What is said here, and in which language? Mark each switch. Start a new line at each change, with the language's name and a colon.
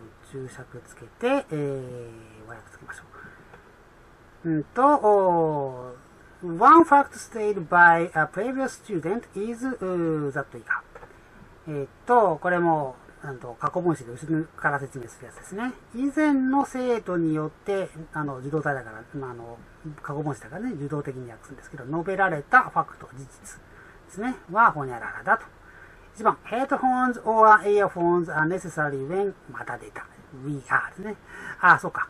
Japanese: 注釈つけて、和訳つけましょう。
English: One fact stated by a previous student is that
Japanese: 以下。これも、過去分詞で後ろから説明するやつですね。以前の生徒によって、受動態だから、過去分詞だからね、受動的に訳すんですけど、述べられたファクト、事実ですね、はほにゃららだと。
English: 1番、headphones or earphones are necessary when
Japanese: また出た。
English: we are ね。
Japanese: ああ、そうか。